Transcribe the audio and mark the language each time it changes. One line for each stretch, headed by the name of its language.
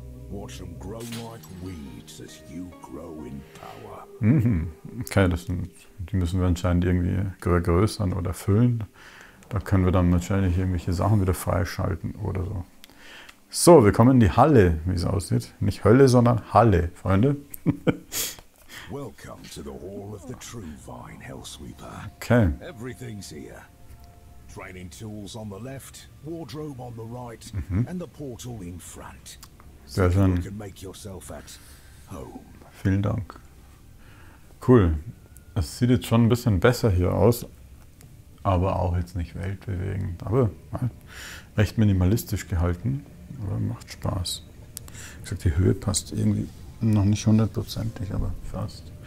English: Watch them grow like weeds as you grow in power.
German: Okay, das sind, die müssen wir anscheinend irgendwie größern oder füllen. Da können wir dann wahrscheinlich irgendwelche Sachen wieder freischalten oder so. So, wir kommen in die Halle, wie es aussieht. Nicht Hölle, sondern Halle, Freunde.
English: Welcome to the Hall of the True Vine, Hellsweeper. Okay. Everything's here. Training tools on the left, wardrobe on the right, and the portal in front.
German: Sehr schön.
English: You can make yourself at home.
German: Vielen Dank. Cool. Es sieht jetzt schon ein bisschen besser hier aus, aber auch jetzt nicht weltbewegend. Aber ja, recht minimalistisch gehalten, aber macht Spaß. Ich sag, die Höhe passt irgendwie noch nicht hundertprozentig, aber fast.